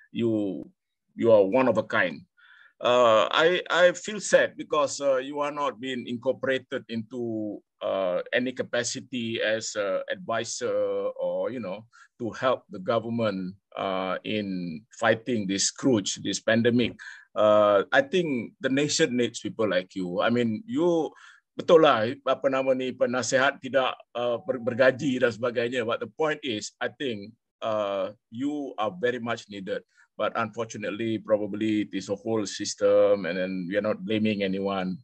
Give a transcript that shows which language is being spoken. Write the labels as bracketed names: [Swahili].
[English] You are one of a kind. I feel sad because you are not being incorporated into any capacity as an advisor or, you know, to help the government in fighting this scourge, this pandemic. I think the nation needs people like you. I mean, you [Malay] betul lah apa nama ni penasihat tidak bergaji dan sebagainya. [English] But the point is, I think you are very much needed. But unfortunately, probably it is a whole system, and then we are not blaming anyone.